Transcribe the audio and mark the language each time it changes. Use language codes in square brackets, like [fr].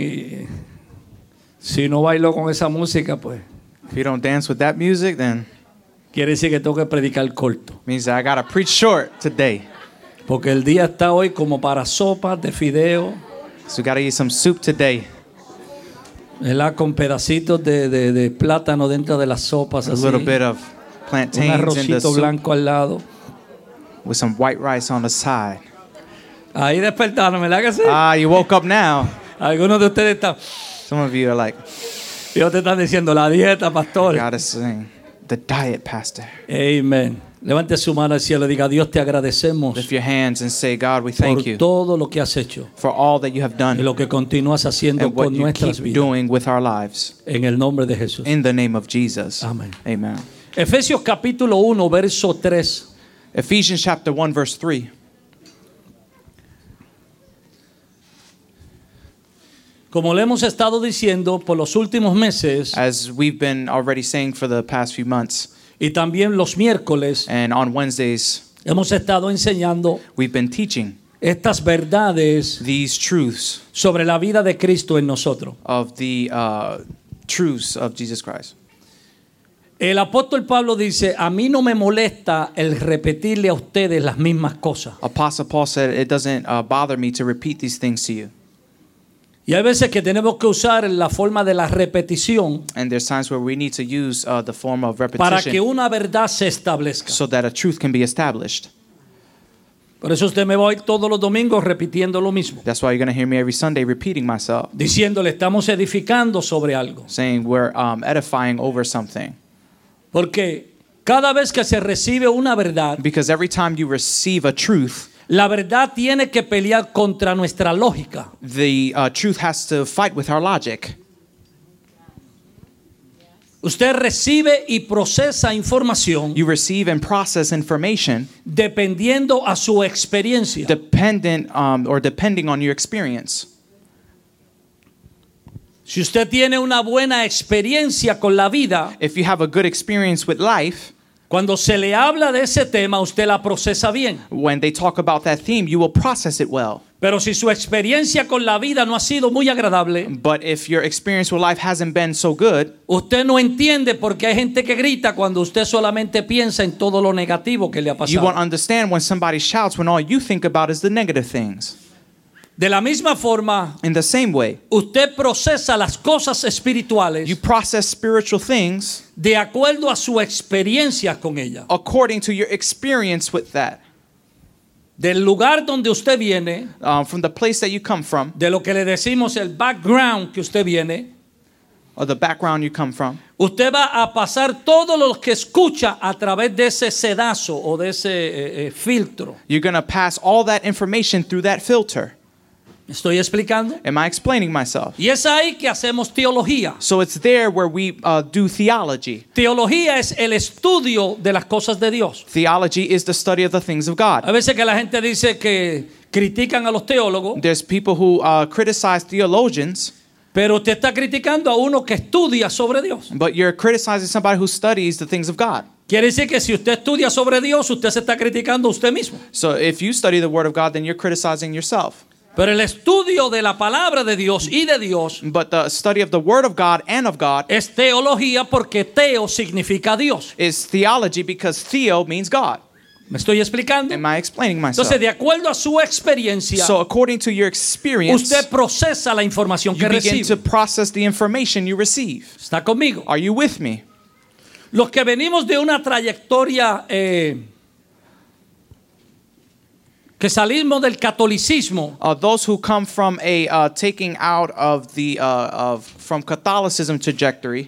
[es] Y si no bailo con esa música, pues. [en] If you don't dance with that music, then. [es] Quiere decir que tengo que predicar corto. [en] Means that I gotta preach short today. [es] Porque el día está hoy como para sopa de fideo. [en] So we gotta eat some soup today. [es] ¿Verdad? Con pedacitos de plátano dentro de las sopas. [en] A little bit of plantains. [es] Un arrocito blanco al lado. [en] With some white rice on the side. [es] Ahí despertaron, ¿verdad que sí? [en] Ah, you woke up now. [es] Algunos de ustedes están. [en] Some of you are like. [es] Yo te están diciendo la dieta, pastor. [en] Gotta sing. The diet, pastor. [es] Amen. Levante su mano al cielo y diga, Dios, te agradecemos. [en] Lift your hands and say, God, we thank you. [es] Por todo lo que has hecho. [en] For all that you have done. [es] Y lo que continúas haciendo con nuestras vidas. [en] And what you keep doing with our lives. [es] En el nombre de Jesús. [en] In the name of Jesus. [es] Amen. [en] Amen. [es] Efesios capítulo 1, verso 3. [en] Ephesians chapter 1, verse 3. [es] Como le hemos estado diciendo por los últimos meses, [en] as we've been already saying for the past few months, [es] y también los miércoles, [en] and on Wednesdays, [es] hemos estado enseñando, [en] we've been teaching [es] estas verdades, [en] these truths [es] sobre la vida de Cristo en nosotros, [en] of the truths of Jesus Christ. [es] El apóstol Pablo dice, a mí no me molesta el repetirle a ustedes las mismas cosas. [en] Apostle Paul said, it doesn't bother me to repeat these things to you. [es] Y hay veces que tenemos que usar la forma de la repetición para que una verdad se establezca. [en] So that a truth can be established. [es] Por eso usted me va a oír todos los domingos repitiendo lo mismo. [en] That's why you're going to hear me every Sunday repeating myself. [es] Diciéndole, estamos edificando sobre algo. [en] Saying we're edifying over something. [es] Porque cada vez que se recibe una verdad, [en] because every time you receive a truth, [es] la verdad tiene que pelear contra nuestra lógica. [en] The truth has to fight with our logic. [es] Usted recibe y procesa información. [en] You receive and process information. [es] Dependiendo a su experiencia. [en] Depending on your experience. [es] Si usted tiene una buena experiencia con la vida. [en] If you have a good experience with life. [es] Cuando se le habla de ese tema, usted la procesa bien. [en] When they talk about that theme, you will process it well. [es] Pero si su experiencia con la vida no ha sido muy agradable, [en] but if your experience with life hasn't been so good, [es] usted no entiende por qué hay gente que grita cuando usted solamente piensa en todo lo negativo que le ha pasado. [en] You won't understand when somebody shouts when all you think about is the negative things. [es] De la misma forma, [en] in the same way, [es] usted procesa las cosas espirituales, [en] you process spiritual things, [es] de acuerdo a su experiencia con ella, [en] according to your experience with that, [es] del lugar donde usted viene, [en] from the place that you come from, [es] de lo que le decimos el background que usted viene, [en] or the background you come from, [es] usted va a pasar todo lo que escucha a través de ese sedazo o de ese filtro. [en] You're going to pass all that information through that filter. [es] Estoy explicando. [en] Am I explaining myself? [es] Y es ahí que hacemos teología. [en] So it's there where we do theology. [es] Teología es el estudio de las cosas de Dios. [en] Theology is the study of the things of God. [es] A veces que la gente dice que critican a los teólogos. [en] There's people who criticize theologians. [es] Pero usted está criticando a uno que estudia sobre Dios. [en] But you're criticizing somebody who studies the things of God. [es] Quiere decir que si usted estudia sobre Dios, usted se está criticando a usted mismo. [en] So if you study the word of God, then you're criticizing yourself. [es] Pero el estudio de la palabra de Dios y de Dios, [en] but the study of the word of God and of God, [es] es teología porque teo significa Dios. [en] Is theology because theo means God. [es] ¿Me estoy explicando? [en] Am I explaining myself? [es] Entonces, de acuerdo a su experiencia, [en] so according to your experience, [es] usted procesa la información [en] you [es] que [en] begin [es] recibe. [en] To process the information you receive. [es] ¿Está conmigo? [en] Are you with me? [es] Los que venimos de una trayectoria que salimos del catolicismo. [en] Those who come from a taking out of the from Catholicism trajectory.